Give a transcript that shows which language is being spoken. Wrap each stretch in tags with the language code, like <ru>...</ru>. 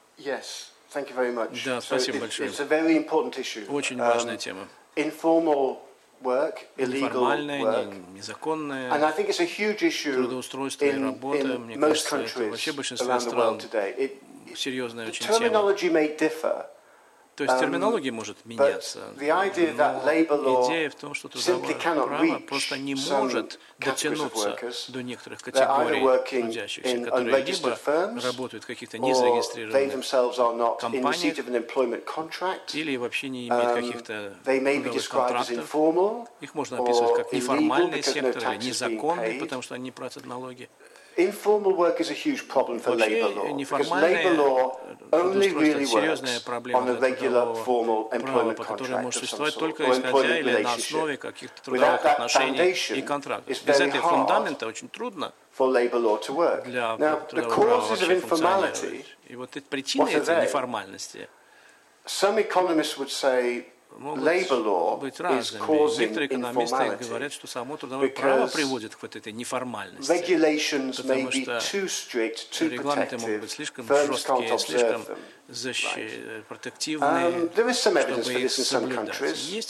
<en>Yes, thank you very much.</en> <ru>Да, спасибо большое.</ru> <en>It's a very important issue.</en> <ru>Очень важная тема.</ru> <en>Informal work, illegal work. And I think it's a huge issue in most countries around the world today. The terminology may differ.</en> <ru>То есть терминология может меняться, но идея в том, что трудовое право просто не может дотянуться до некоторых категорий трудящихся, которые либо работают в каких-то незарегистрированных компаниях, или вообще не имеют каких-то трудовых контрактов. Их можно описывать как неформальные секторы, или незаконные, потому что они не платят налоги.</ru> <en>Informal work is a huge problem for labor law. Because labor law only really works on a regular formal employment contract of some sort, or employment relationship. Without that foundation, it's very hard for labor law to work. Now, the causes of informality, what are they? Some economists would say</en> <ru>Могут быть разными. Некоторые экономисты говорят, что само трудовое право приводит к вот этой неформальности, потому что регламенты могут быть слишком жесткие, слишком протективные, чтобы их соблюдать.</ru>